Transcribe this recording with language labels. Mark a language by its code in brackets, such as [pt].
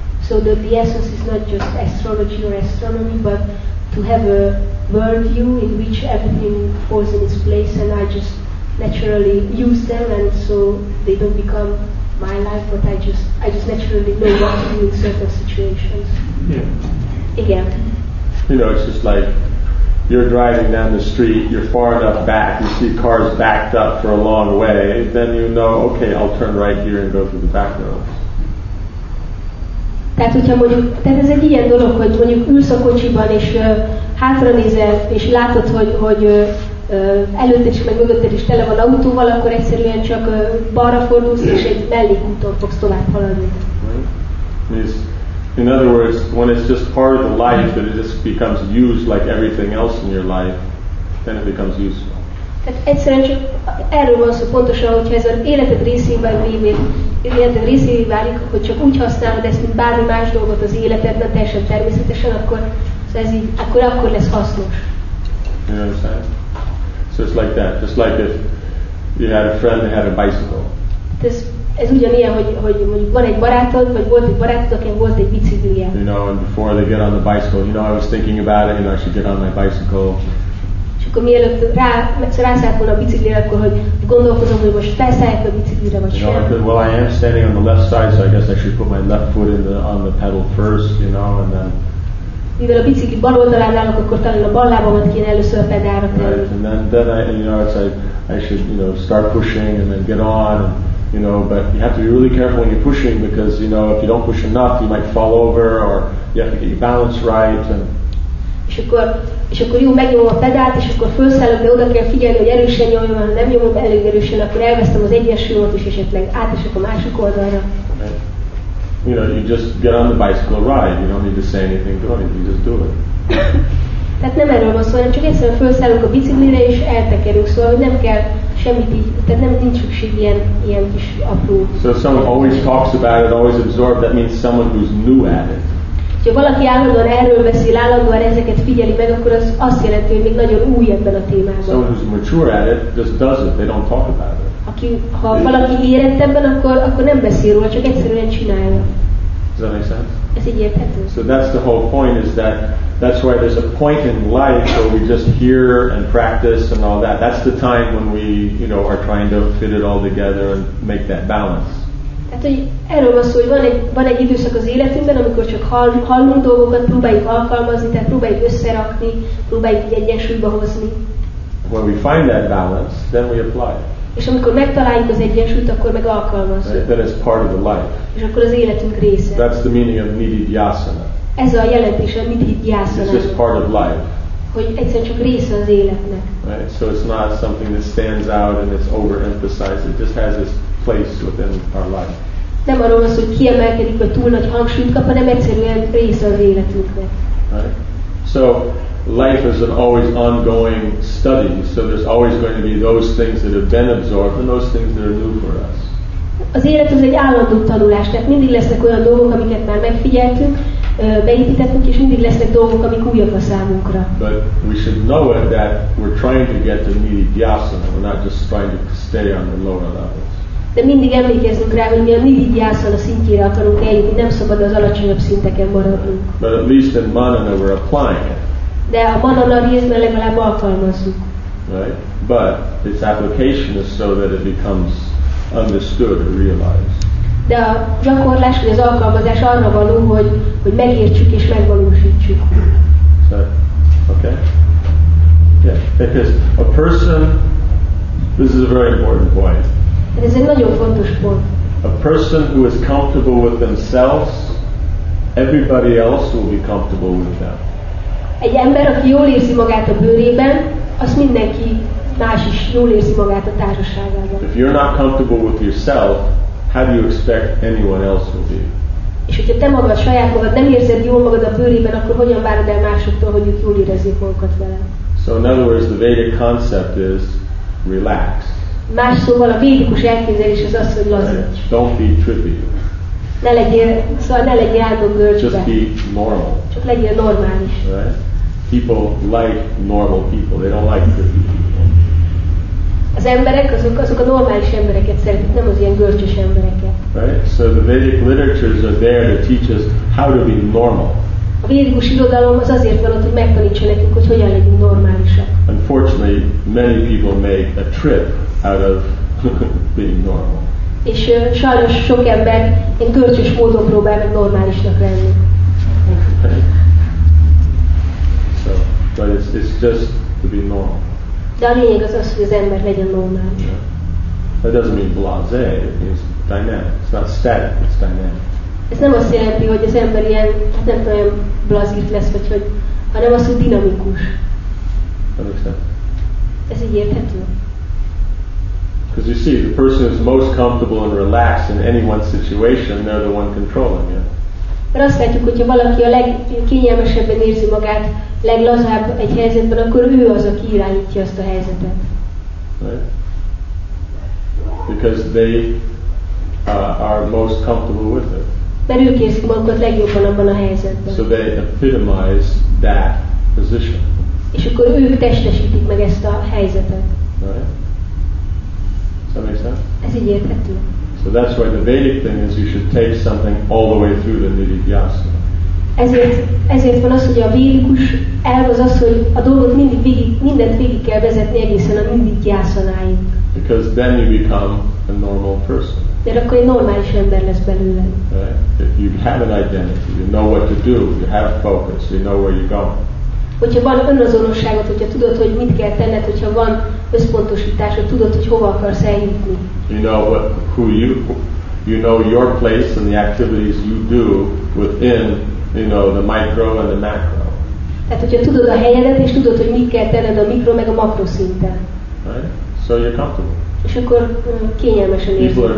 [en] So the essence is not just astrology or astronomy, but to have a world view in which everything falls in its place and I just naturally use them and so they don't become my life, but I just naturally know what to do in certain situations. Yeah. Again. You know, it's just like you're driving down the street, you're far enough back, you see cars backed up for a long way, then you know, okay, I'll turn right here and go through the back roads. [hu] Tehát, hogyha mondjuk, tehát ez egy ilyen dolog, hogy mondjuk ülsz a kocsiban, és hátranézel, és látod, hogy előtte is, meg mögötted is tele van autóval, akkor egyszerűen csak balra fordulsz, és egy mellékúton fogsz tovább haladni. [en] Right. In other words, when it's just part of the life that it just becomes used like everything else in your life, then it becomes useful. [hu] Tehát egyszerűen csak erről van szó pontosan, hogyha ez az életed részévé válik, hogy csak úgy használod ezt, mint bármi más dolgot az életedben, teljesen természetesen, akkor lesz hasznos. [en] You understand? So it's like that. Just like if you had a friend that had a bicycle. [hu] Ez ugyanilyen, hogy mondjuk van egy barátod, vagy volt egy barátod, akinek volt egy biciklije. [en] You know, and before they get on the bicycle, you know, I was thinking about it, you know, I should get on my bicycle. [hu] És akkor mielőtt rászállt volna a biciklire, akkor hogy gondolkozom, hogy most felszállt a biciklire, vagy sem. [en] You know, I said, well, I am standing on the left side, so I guess I should put my left foot on the pedal first, you know, and then... [hu] Mivel a bicikli bal oldalán állok, akkor talán a bal lábamat kéne először a pedálra tenni. [en] Right, then I, you know, it's like, I should, you know, start pushing and then get on. And, you know, but you have to be really careful when you're pushing because, you know, if you don't push enough, you might fall over or you have to get your balance right. And [hu] és akkor jó, megnyomom a pedált, és akkor felszállok, de oda kell figyelni, hogy erősen nyomjam, ha nem nyomom elég erősen, akkor elvesztem az egyensúlyomat is, esetleg átesek a másik oldalra. [en] Okay. You know, you just get on the bicycle ride, you don't need to say anything to it, you just do it. [hu] Tehát nem erről van szó, hanem csak egyszerűen felszállok a biciklire és eltekerünk, szóval hogy nem kell semmit így, tehát nem nincs szükség ilyen kis apró. [en] So someone always talks about it, always absorbed, that means someone who's new at it. [hu] Ha valaki állandóan erről beszél, állandóan ezeket figyeli meg, akkor az azt jelenti, hogy még nagyon új ebben a témában. [en] Someone who's mature at it just does it, they don't talk about it. [hu] Ha valaki érett ebben, akkor nem beszél róla, csak egyszerűen csinálja. [en] Does that make sense? [hu] Ez így érthető. [en] So that's the whole point is that that's why there's a point in life where we just hear and practice and all that. That's the time when we, you know, are trying to fit it all together and make that balance. [hu] Hát, hogy erről van szó, hogy van egy időszak az életünkben, amikor csak hallunk dolgokat, próbáljuk alkalmazni, tehát próbáljuk összerakni, próbáljuk egyensúlyba hozni. [en] When we find that balance, then we apply it. [hu] És amikor megtaláljuk az egyensúlyt, akkor meg alkalmazzuk. [en] Right, then it's part of the life. [hu] És akkor az életünk része. [en] That's the meaning of nididhyasana. [hu] Ez a jelentés, a nididhyasana. [en] It's just part of life. [hu] hogy egyszer csak része az életnek. [en] Right, so it's not something that stands out and it's overemphasized. It just has its place within our life. [hu] Nem arról van szó, hogy kiemelkedik, vagy túl nagy hangsúlyt kap, hanem egyszerűen része az életünknek. [en] Right. So life is an always ongoing study, so there's always going to be those things that have been absorbed and those things that are new for us. [hu] Az élet az egy állandó tanulás, tehát mindig lesznek olyan dolgok, amiket már megfigyeltünk, beépítettünk, és mindig lesznek dolgok, amik újak a számunkra. [en] But we should know it that we're trying to get to nididhyasana, we're not just trying to stay on the lower levels. [hu] De mindig emlékezzünk rá, hogy mi a nididhyasana szintjére akarunk eljutni, nem szabad az alacsonyabb szinteken maradni. [en] But at least in manana we're applying it. [hu] De a manana részben legalább alkalmazzuk. [en] Right? But its application is so that it becomes understood or realized. [hu] De a gyakorlás, vagy az alkalmazás arra való, hogy megértsük és megvalósítsuk. [en] So, okay. Yeah, because a person, this is a very important point. [hu] Ez egy nagyon fontos pont. [en] A person who is comfortable with themselves, everybody else will be comfortable with them. [hu] Egy ember, aki jól érzi magát a bőrében, az mindenki más is jól érzi magát a társaságában. [en] If you're not comfortable with yourself, how do you expect anyone else to be? [hu] És hogyha te magad, saját magad nem érzed jól magad a bőrében, akkor hogyan várod el másoktól, hogy ők jól érezzék magukat vele? [en] So in other words, the Vedic concept is relax. [hu] Más szóval a védikus elképzelés az az, hogy lazíts. [en] Don't be trippy. [hu] Ne legyél áldog bőrcsbe. [en] Just be normal. [hu] Csak legyél normális. [en] Right? People like normal people. They don't like trippy people. [hu] Az emberek azok a normális embereket szeretik, nem az ilyen görcsös embereket. [en] Right? So the Vedic literatures are there to teach us how to be normal. [hu] A védikus irodalom az azért van ott, hogy megtanítsa nekünk, hogy hogyan legyünk normálisak. [en] Unfortunately, many people make a trip out of being normal. [hu] És sajnos sok ember én görcsös módon próbál meg normálisnak lenni. [en] So, but it's just to be normal. [hu] De a lényeg az, hogy az ember legyen normális. [en] That doesn't mean blasé, it means dynamic. It's not static, it's dynamic. [hu] Ez nem azt jelenti, hogy az ember ilyen, nem olyan blazit lesz, vagy hogy, hanem az, hogy dinamikus. [en] Understand? [hu] Ez így érthető? [en] Because you see, the person who's most comfortable and relaxed in any one situation, they're the one controlling it. [hu] Mert azt látjuk, hogyha valaki a legkényelmesebben érzi magát, leglazább egy helyzetben, akkor ő az, aki irányítja azt a helyzetet. [en] Right? Because they are most comfortable with it. [hu] Mert ők érzik magukat legjobban abban a helyzetben. [en] So they epitomize that position. [hu] És akkor ők testesítik meg ezt a helyzetet. [en] Right? [hu] Ez így érthető. [en] So that's why the Vedic thing is you should take something all the way through the nididhyasana. [hu] Ezért van az, hogy a védikus elv az, hogy a dolgot mindent végig kell vezetni egészen a nididhyasanáig. [en] Because then you become a normal person. [hu] De akkor egy normális ember lesz belőle. [en] Right? If you have an identity, you know what to do, you have focus, you know where you're going. [hu] Hogyha van önazonosságot, hogyha tudod, hogy mit kell tenned, hogyha van összpontosításod, tudod, hogy hova akarsz eljutni. [en] You know what, who you know your place and the activities you do within, you know, the micro and the macro. [hu] Tehát, hogyha tudod a helyedet, és tudod, hogy mit kell tenned a mikro meg a makro szinten. [en] Right? So you're comfortable. [hu] És akkor kényelmesen érzed magad.